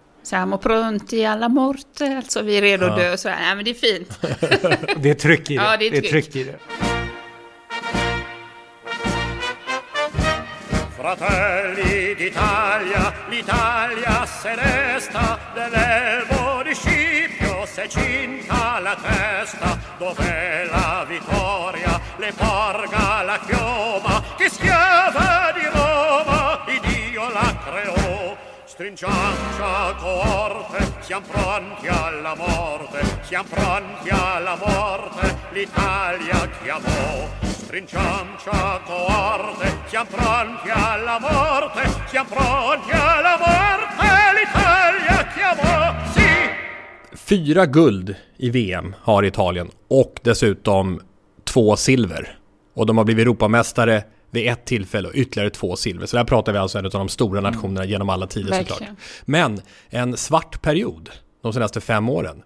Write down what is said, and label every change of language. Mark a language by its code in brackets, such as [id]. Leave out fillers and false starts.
[it] Siamo pronti alla morte. [sv] Alltså, vi är redo att dö. Så här. Nej, men det är fint. Det är tryck i det. Ja, det är tryck i det. [it] Fratelli d'Italia, l'Italia celesta, dell'elmo di Scipio, se cinta la testa, dov'è la vittoria? le porga la chioma, che schiava di Roma, Dio la creò. Stringiamcia coorte, siamo pronti alla morte, siamo pronti alla morte, l'Italia chiamò. Stringiamcia coorte, siamo pronti alla morte, siamo pronti alla morte, l'Italia chiamò. Sì! [sv] 4 guld i VM har Italien och dessutom 2 silver. Och de har blivit Europamästare vid ett tillfälle och ytterligare 2 silver. Så där pratar vi alltså en av de stora nationerna genom alla tider såklart. Men en svart period de senaste 5 åren.